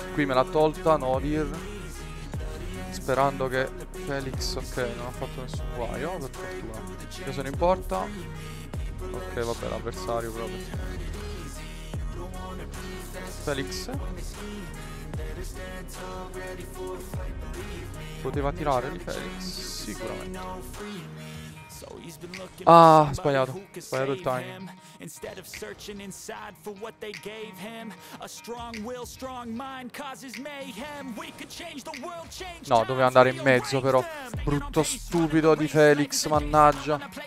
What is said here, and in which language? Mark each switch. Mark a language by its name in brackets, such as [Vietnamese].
[Italian] Qui me l'ha tolta, Nodir. Sperando che Felix, ok, non ha fatto nessun guaio, per fortuna. Io sono in porta. Ok, vabbè, l'avversario proprio. Felix. Poteva tirare di Felix, sicuramente. Ah, sbagliato il timing. [English] Instead of searching inside for what they gave him, a strong will, strong mind causes mayhem. We could change the world, change. [Italian] No, doveva andare in mezzo però. Brutto stupido di Felix, mannaggia.